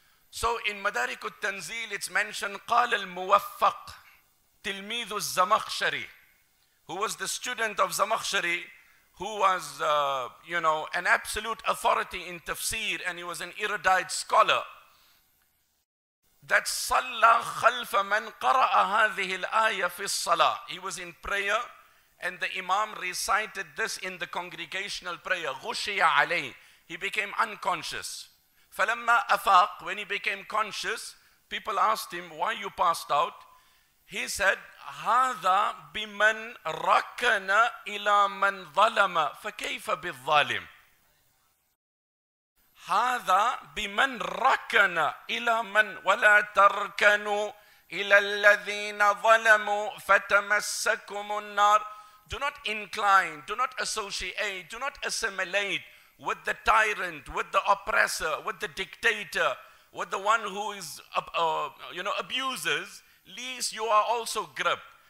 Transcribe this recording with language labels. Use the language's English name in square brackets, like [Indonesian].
[English] So in Madarik al-Tanzil, it's mentioned, [Arabic] قال المُوَفَّق تِلْمِيذُ الزَّمَخْشَرِ, [English] who was the student of Zamakhshari, who was, an absolute authority in tafsir, and he was an erudite scholar, that [Arabic] صَلَّى خَلْفَ مَنْ قَرَأَ هَذِهِ الْآيَةِ فِي الصَّلَاةِ. [English] He was in prayer, and the imam recited this in the congregational prayer, [Arabic] غُشِيَ عَلَيْهِ. [English] He became unconscious. [Arabic] فَلَمَّا أَفَاق, [English] when he became conscious, people asked him, why you passed out? He said, [Arabic] هَذَا بِمَنْ رَكَّنَ إِلَى مَنْ ظَلَمَ فَكَيْفَ بِالظَّالِمِ. هَذَا بِمَنْ رَكَّنَ إِلَى مَنْ وَلَا تَرْكَنُوا إِلَى الَّذِينَ ظَلَمُوا فَتَمَسَّكُمُ النَّارِ. [English] Do not incline, do not associate, do not assimilate with the tyrant, with the oppressor, with the dictator, with the one who is, abuses, lest you are also gripped.